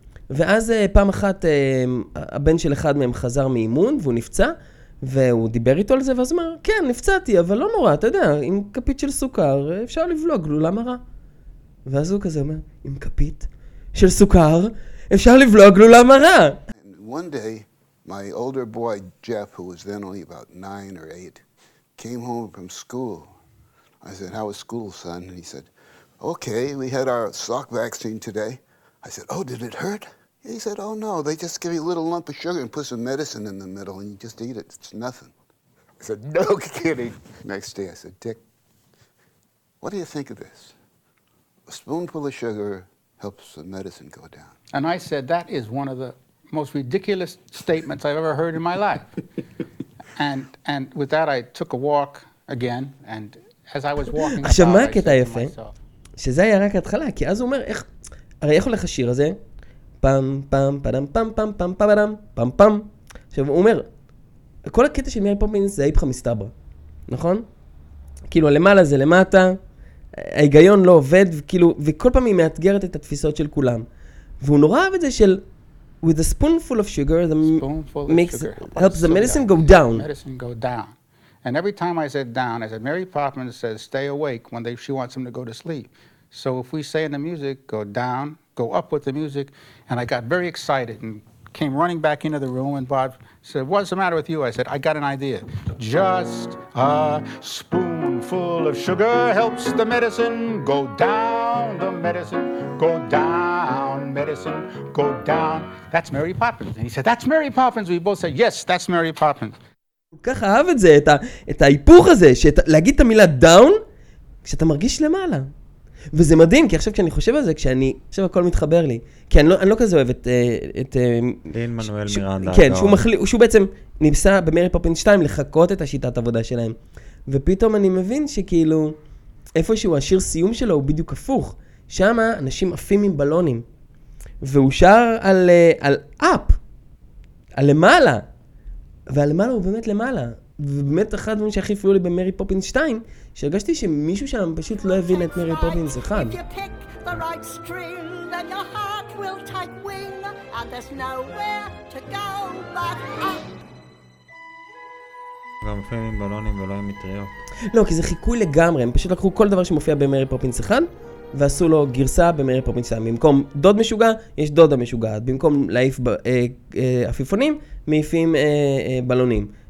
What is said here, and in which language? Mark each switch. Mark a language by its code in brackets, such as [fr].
[he] ואז פעם אחת הבן של אחד מהם חזר מאימון והוא נפצע, והוא דיבר איתו על זה ואז אמר, כן, נפצעתי, אבל לא נורא, אתה יודע, עם כפית של סוכר אפשר לבלוג, לא למה רע. ואז הוא כזה אומר, עם כפית של סוכר, אפשר לבלוג לולה מרה. [en] One day, my older boy, Jeff, who was then only about 9 or 8, came home from school. I said, how was school, son? And he said, okay, we had our sock vaccine today. I said, oh, did it hurt? He said, oh, no, they just give you a little lump of sugar and put some medicine in the middle and you just eat it. It's nothing. I said, no kidding. Next day, I said, Dick, what do you think of this? A spoonful of sugar helps the medicine go down. And I said, that is one of the most ridiculous statements I've ever heard in my life. And with that, I took a walk again, and as I was walking... [he] עכשיו, מה הקטע היפה? שזה היה רק התחלה, כי אז הוא אומר, איך... הרי איך הולך השיר הזה? פם, פם, פדם, פם, פם, פם, פם, פם, פם, פם. עכשיו, הוא אומר, כל הקטע של מרי פופינס זה איפכה מסתברא, נכון? כאילו, למעלה זה למטה, ההיגיון לא עובד, וכאילו, וכל פעם היא מאתגרת את התפיסות של כולם. והוא נורא אהב את זה של [en] With a spoonful of sugar, the spoonful of makes, sugar helps the medicine go down. Medicine go down. And every time I said down, I said, Mary Poppins says stay awake when she wants him to go to sleep. So if we say in the music, go down, go up with the music, and I got very excited and came running back into the room and Bob said, what's the matter with you? I said, I got an idea. Just a spoonful of sugar helps the medicine go down, the medicine go down, medicine go down. That's Mary Poppins. And he said, that's Mary Poppins. We both said, yes, that's Mary Poppins. [he] הוא ככה אהב את זה, את ההיפוך הזה, להגיד את המילה down, כשאתה מרגיש למעלה. וזה מדהים, כי עכשיו כשאני חושב על זה, כשאני חושב הכל מתחבר לי, כי אני לא כזה אוהב את לין מנואל מירנדה. כן, שהוא בעצם ניסה במרי פופינס 2 לחכות את השיטת עבודה שלהם. ופתאום אני מבין שכאילו, איפשהו השיר סיום שלו הוא בדיוק הפוך. שם אנשים עפים עם בלונים. והוא שר על אפ, על למעלה. ועל למעלה הוא באמת למעלה. ובאמת אחד מהם שהכי הפריעו לי במרי פופינס 2, שהרגשתי שמישהו שם פשוט לא הבין את מרי פופינס 1. [en] If you pick the right string, then your heart will take wing, and there's nowhere to go but up. [he] גם הפעמים עם בלונים ולא עם מטריות. לא, כי זה חיקוי לגמרי, הם פשוט לקחו כל דבר שמופיע במרי פופינס 1, ועשו לו גרסה במרי פופינס 2. במקום דוד משוגע, יש דודה משוגעת. במקום להעיף עפיפונים, מעיפים בלונים.